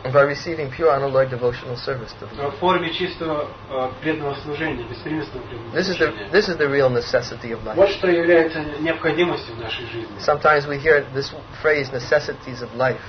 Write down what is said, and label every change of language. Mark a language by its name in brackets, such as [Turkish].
[English] By receiving pure unalloyed devotional service to the Lord. [Russian] В форме чистого преданного служения, беспримесного преданного служения. [English] This is the real necessity of life. [Russian] Вот что является необходимостью в нашей жизни. [English] Sometimes we hear this phrase, necessities of life.